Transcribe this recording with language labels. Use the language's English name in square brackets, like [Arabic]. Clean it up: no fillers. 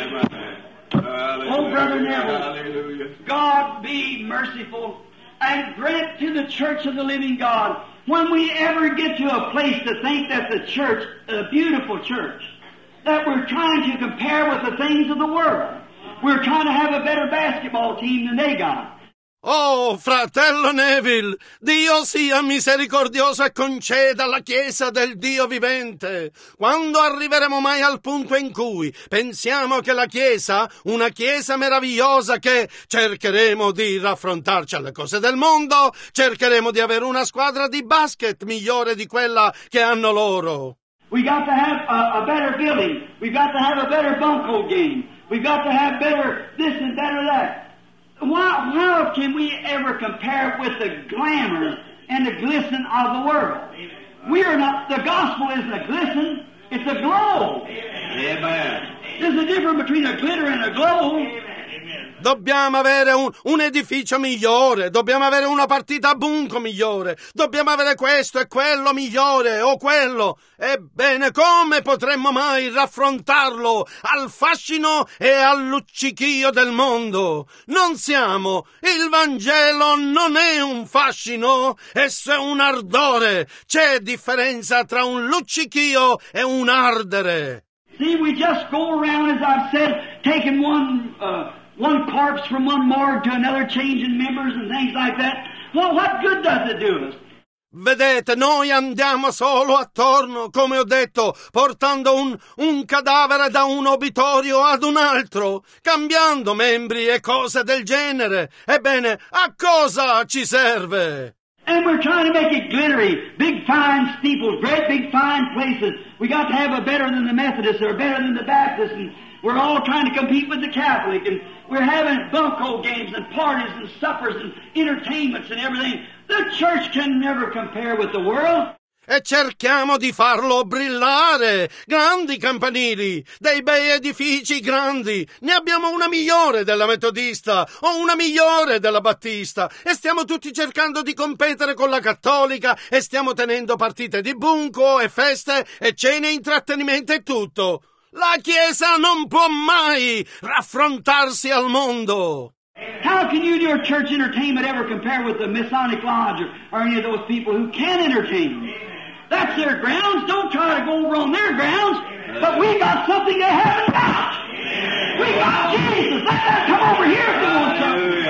[English] Amen. Oh, Brother Neville, God be merciful and grant to the Church of the Living God. When we ever get to a place to think that the church, a beautiful church, that we're trying to compare with the things of the world, we're trying to have a better basketball team than they got. [Italian] Oh, fratello Neville, Dio sia misericordioso e conceda alla Chiesa del Dio vivente. Quando arriveremo mai al punto in cui pensiamo che la Chiesa, una Chiesa meravigliosa che cercheremo di raffrontarci alle cose del mondo, cercheremo di avere una squadra di basket migliore di quella che hanno loro. [English] We got to have a better building. We got to have a better bunco game. We got to have better this and better that. How can we ever compare with the glamour and the glisten of the world? We are not, the gospel isn't a glisten, it's a glow. Amen. There's a difference between a glitter and a glow. [Italian] Dobbiamo avere un edificio migliore, dobbiamo avere una partita a bunco migliore, dobbiamo avere questo e quello migliore o quello. Ebbene, come potremmo mai raffrontarlo al fascino e al luccichio del mondo? Non siamo. Il Vangelo non è un fascino, esso è un ardore. C'è differenza tra un luccichio e un ardere. [English] See, we just go around, as I've said, taking one corpse from one morgue to another, changing members and things like that. Well, what good does it do us? [Italian] Vedete, noi andiamo solo attorno, come ho detto, portando un cadavere da un obitorio ad un altro, cambiando membri e cose del genere. Ebbene, a cosa ci serve? [English] And we're trying to make it glittery. Big fine steeples, great big fine places. We got to have a better than the Methodist or better than the Baptist. And we're all trying to compete with the Catholic. And we're having bunco games and parties and suppers and entertainments and everything. The church can never compare with the world. [Italian] E cerchiamo di farlo brillare. Grandi campanili, dei bei edifici grandi. Ne abbiamo una migliore della Metodista o una migliore della Battista. E stiamo tutti cercando di competere con la Cattolica e stiamo tenendo partite di bunco e feste e cene, intrattenimento e tutto. La Chiesa non può mai raffrontarsi al mondo. [English] How can you and your church entertainment ever compare with the Masonic Lodge or any of those people who can entertain? That's their grounds. Don't try to go over on their grounds. But we got something to have it out. We got Jesus. Let that come over here if you want something.